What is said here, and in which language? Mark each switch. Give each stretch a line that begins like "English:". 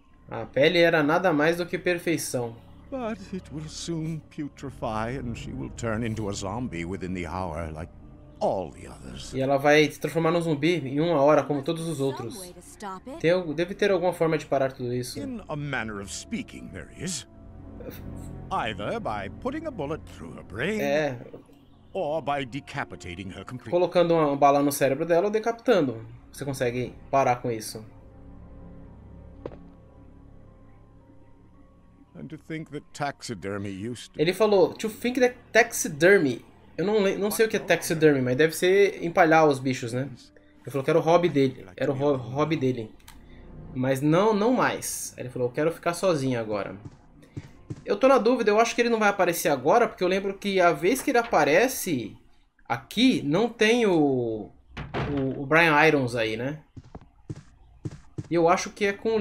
Portuguese: A pele era nada mais do que perfeição.
English: But it will soon putrefy and she will turn into a zombie within the hour, like all the others.
Portuguese: E ela vai se transformar num zumbi em uma hora, como todos os outros. Deve ter alguma forma de parar tudo isso.
English: In a manner of speaking, there is. Either by putting a bullet through her brain, or by decapitating her completely.
Portuguese: Colocando uma bala no cérebro dela ou decapitando. Você consegue parar com isso.
English: And to think that taxidermy used to...
Portuguese: Ele falou,
English: to think that taxidermy.
Portuguese: Eu não sei o que é taxidermy, mas deve ser empalhar os bichos, né? Ele falou que era o hobby dele. Era o hobby dele. Mas não mais. Ele falou, eu quero ficar sozinho agora. Eu tô na dúvida, eu acho que ele não vai aparecer agora, porque eu lembro que a vez que ele aparece aqui, não tem o Brian Irons aí, né? E eu acho que é com.